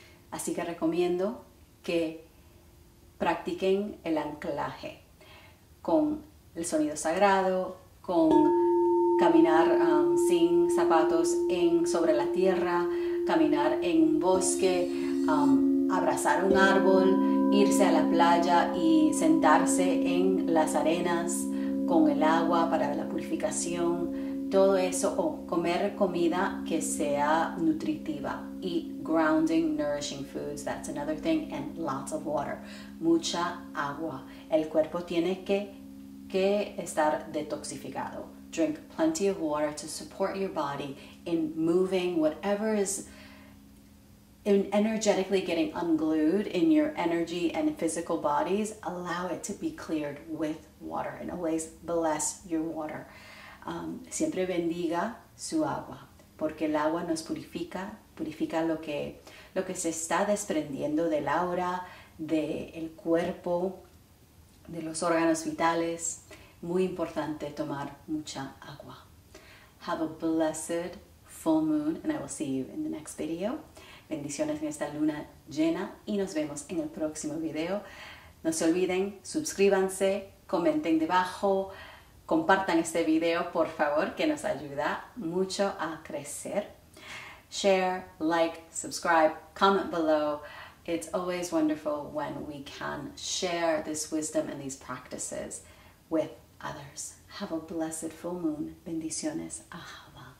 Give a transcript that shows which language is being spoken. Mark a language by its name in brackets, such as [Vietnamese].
[Spanish] Así que recomiendo que practiquen el anclaje con el sonido sagrado, con caminar sin zapatos sobre la tierra, caminar en un bosque, abrazar un árbol, irse a la playa y sentarse en las arenas con el agua para la purificación, todo eso, o comer comida que sea nutritiva. [English] Eat grounding, nourishing foods, that's another thing, and lots of water. [Spanish] Mucha agua. El cuerpo tiene que estar detoxificado. [English] Drink plenty of water to support your body in moving whatever is in energetically getting unglued in your energy and physical bodies. Allow it to be cleared with water, and always bless your water. [Spanish] Siempre bendiga su agua, porque el agua nos purifica, purifica lo que se está desprendiendo del aura, del cuerpo, de los órganos vitales. Muy importante tomar mucha agua. [English] Have a blessed full moon, and I will see you in the next video. [Spanish] Bendiciones en esta luna llena, y nos vemos en el próximo video. No se olviden, suscríbanse, comenten debajo, compartan este video, por favor, que nos ayuda mucho a crecer. [English] Share, like, subscribe, comment below. It's always wonderful when we can share this wisdom and these practices with others. Have a blessed full moon. [Spanish] Bendiciones. [English] Ahava.